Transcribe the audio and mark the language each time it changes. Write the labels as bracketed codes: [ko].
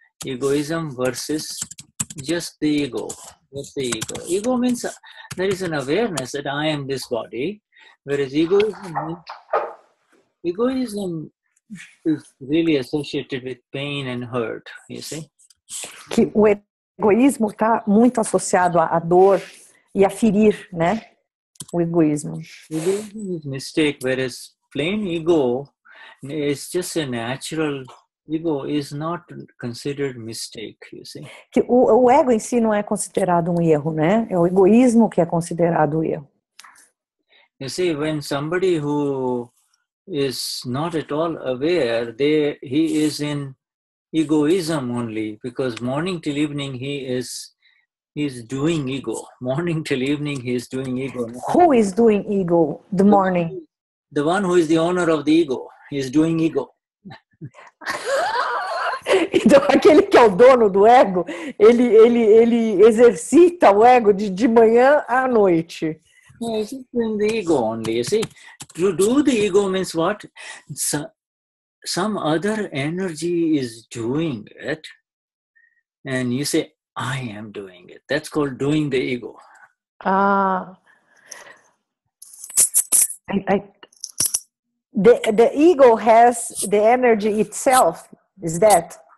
[en] Egoism versus just the ego. What's the ego? Ego means there is an awareness that I am this body, whereas egoism is really associated with pain and hurt, you see. [pt] Que o egoísmo está muito associado à dor e a ferir, né? O egoísmo. [en] Egoism is mistake, whereas plain ego is just a natural. Ego is not considered mistake, you see. [pt] Que o ego em si não é considerado um erro, né? É o egoísmo que é considerado erro. [en] You see, when somebody who is not at all aware, he is in egoism only, because morning till evening he is doing ego. Morning till evening he is doing ego. Who is doing ego the morning? The one who is the owner of the ego is doing ego. [pt] Então aquele que é o dono do ego, ele exercita o ego de manhã à noite. [en] Yes, in the ego only. You see, to do the ego means what? Some other energy is doing it, and you say, "I am doing it." That's called doing the ego. Ah, the ego has the energy itself. Is that?